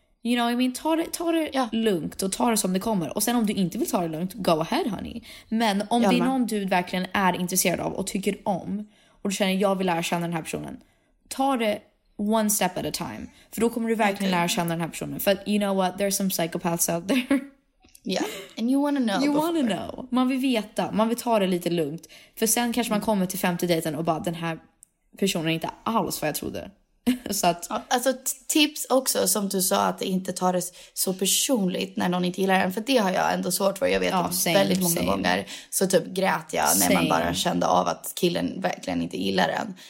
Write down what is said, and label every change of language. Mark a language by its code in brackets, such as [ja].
[en] You know, I mean, [sv] ta det lugnt och ta det som det kommer. Och sen om du inte vill ta det lugnt, [en] go ahead honey. [sv] Men om det är någon du verkligen är intresserad av och tycker om, och du känner jag vill lära känna den här personen, ta det [en] one step at a time. [sv] För då kommer du verkligen lära känna den här personen. [en] För you know what, there's some psychopaths out there. Yeah, and you wanna know. You wanna know. [sv] Man vill veta, man vill ta det lite lugnt. För sen kanske man kommer till femte dejten och bara, den här personen är inte alls vad jag trodde. Så att... Alltså tips också, som du sa, att inte ta det så personligt när någon inte gillar den. För det har jag ändå svårt för. Jag vet att väldigt många gånger så typ grät jag när man bara kände av att killen verkligen inte gillar den.